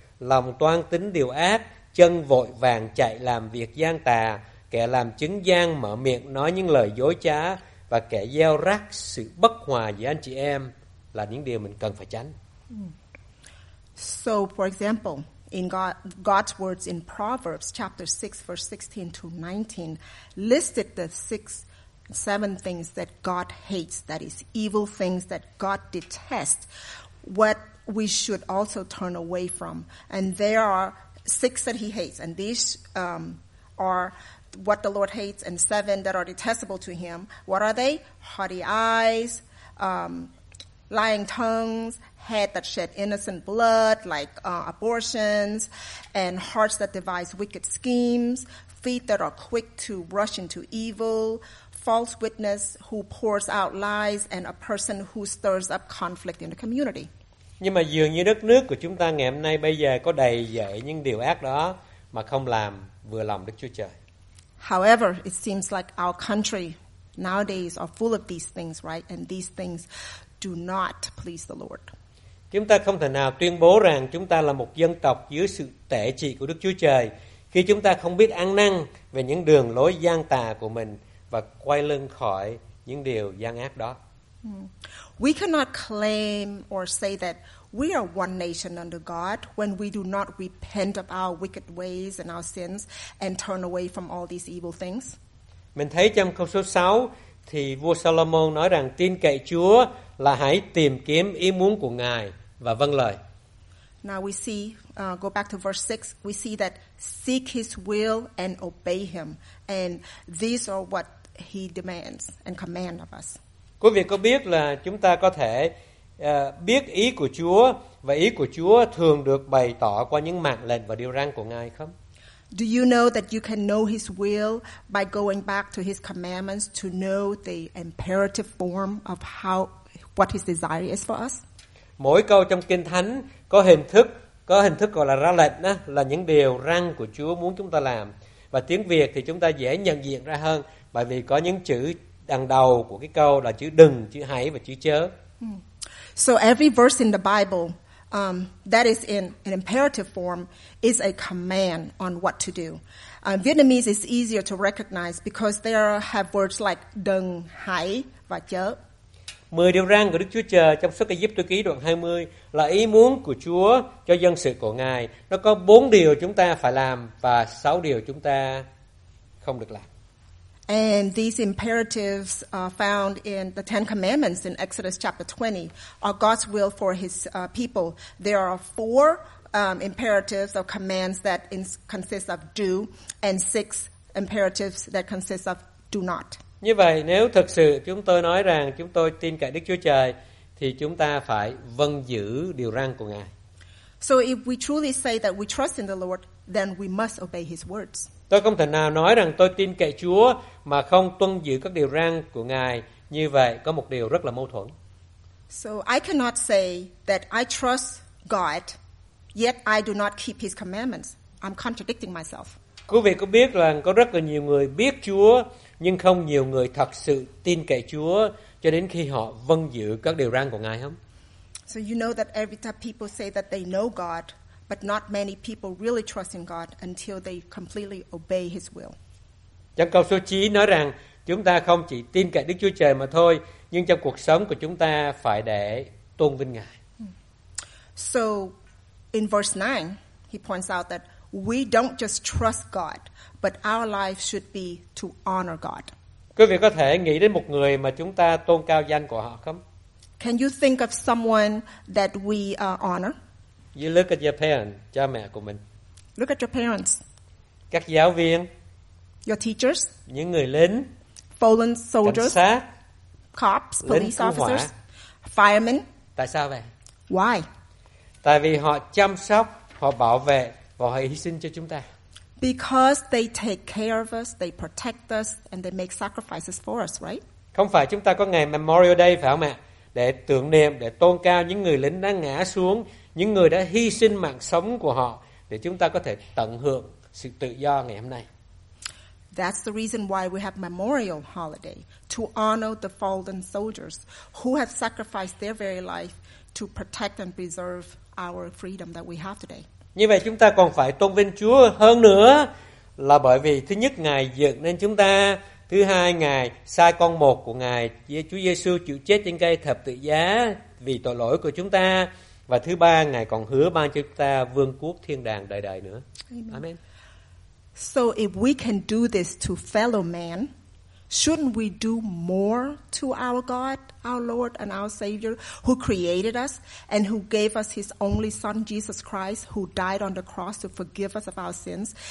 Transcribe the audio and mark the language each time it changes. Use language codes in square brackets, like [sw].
[vi] Lòng toan tính điều ác, chân vội vàng chạy làm việc gian tà, kẻ làm chứng gian mở miệng nói những lời dối trá, và kẻ gieo rắc sự bất hòa giữa anh chị em là những điều mình cần phải tránh. [en] So for example, in God's words in Proverbs chapter 6 verse 16 to 19 listed the 6-7 things that God hates, that is evil things that God detests, what we should also turn away from. And there are 6 that he hates, and these are what the Lord hates, and 7 that are detestable to him. What are they? Haughty eyes, lying tongues, head that shed innocent blood, like abortions, and hearts that devise wicked schemes, feet that are quick to rush into evil, false witness who pours out lies, and a person who stirs up conflict in the community. [vi] Nhưng mà dường như đất nước của chúng ta ngày hôm nay bây giờ có đầy dậy những điều ác đó mà không làm vừa lòng Đức Chúa Trời. [en] However, it seems like our country nowadays are full of these things, right? And these things do not please the Lord. [vi] Chúng ta không thể nào tuyên bố rằng chúng ta là một dân tộc dưới sự tể trị của Đức Chúa Trời khi chúng ta không biết ăn năn về những đường lối gian tà của mình và quay lưng khỏi những điều gian ác đó. [en] We cannot claim or say that we are one nation under God when we do not repent of our wicked ways and our sins and turn away from all these evil things. [vi] Mình thấy trong câu số 6 thì vua Solomon nói rằng tin cậy Chúa là hãy tìm kiếm ý muốn của Ngài và vâng lời. [en] Now we see, go back to verse 6, we see that seek his will and obey him. And these are what he demands and commands of us. [vi] Quý vị có biết là chúng ta có thể biết ý của Chúa và ý của Chúa thường được bày tỏ qua những mạng lệnh và điều răn của Ngài không? [en] Do you know that you can know his will by going back to his commandments to know the imperative form of how what his desire is for us? [vi] Mỗi câu trong Kinh Thánh có hình thức gọi là ra lệnh đó, là những điều răn của Chúa muốn chúng ta làm. Và tiếng Việt thì chúng ta dễ nhận diện ra hơn bởi vì có những chữ đằng đầu của cái câu là chữ đừng, chữ hãy và chữ chớ. [en] So every verse in the Bible that is in an imperative form is a command on what to do. Vietnamese is easier to recognize because they have words like [vi] đừng, hãy và chớ. 10 điều răn của Đức Chúa Trời trong sách Ê-díp-tô ký đoạn 20 là ý muốn của Chúa cho dân sự của Ngài. Nó có 4 điều chúng ta phải làm và 6 điều chúng ta không được làm. [en] And these imperatives found in the Ten Commandments in Exodus chapter 20 are God's will for his people. There are 4 imperatives or commands that consist of do and 6 imperatives that consist of do not. [vi] Như vậy, nếu thực sự chúng tôi nói rằng chúng tôi tin cậy Đức Chúa Trời, thì chúng ta phải vâng giữ điều răn của Ngài. [en] So if we truly say that we trust in the Lord, then we must obey his words. [vi] Tôi không thể nào nói rằng tôi tin cậy Chúa mà không tuân giữ các điều răn của Ngài. Như vậy có một điều rất là mâu thuẫn. [en] So I cannot say that I trust God, yet I do not keep his commandments. I'm contradicting myself. [vi] Quý vị có biết là có rất là nhiều người biết Chúa nhưng không nhiều người thật sự tin cậy Chúa cho đến khi họ vâng giữ các điều răn của Ngài không? [en] So you know that every time people say that they know God, but not many people really trust in God until they completely obey his will. [vi] Trong câu số 9 nói rằng chúng ta không chỉ tin cậy Đức Chúa Trời mà thôi, nhưng trong cuộc sống của chúng ta phải để tôn vinh Ngài. [en] So in verse 9, he points out that we don't just trust God, but our life should be to honor God. [vi] Quý vị có thể nghĩ đến một người mà chúng ta tôn cao danh của họ không? [en] Can you think of someone that we honor? You look at your parents, [vi] cha mẹ của mình. [en] Look at your parents. [vi] Các giáo viên. [en] Your teachers. [vi] Những người lính. [en] Fallen soldiers. [vi] Cảnh sát. [en] Cops, police officers. Firemen. [vi] Tại sao vậy? [en] Why? [vi] Tại vì họ chăm sóc, họ bảo vệ và họ hy sinh cho chúng ta. [en] Because they take care of us, they protect us, and they make sacrifices for us, right? [vi] Không phải chúng ta có ngày Memorial Day phải không ạ? Để tưởng niệm, để tôn cao những người lính đã ngã xuống, những người đã hy sinh mạng sống của họ để chúng ta có thể tận hưởng sự tự do ngày hôm nay. [en] That's the reason why we have Memorial Holiday, to honor the fallen soldiers who have sacrificed their very life to protect and preserve our freedom that we have today. [vi] Như vậy chúng ta còn phải tôn vinh Chúa hơn nữa là bởi vì thứ nhất Ngài dựng nên chúng ta, thứ hai Ngài sai con một của Ngài, Chúa Giêsu chịu chết trên cây thập tự giá vì tội lỗi của chúng ta, và thứ ba Ngài còn hứa ban cho chúng ta vương quốc thiên đàng đời đời nữa. [en] Amen. Amen. So if we can do this to fellow man, shouldn't we do more to our God, our Lord and our Savior, who created us and who gave us his only son, Jesus Christ, who died on the cross to forgive us of our sins?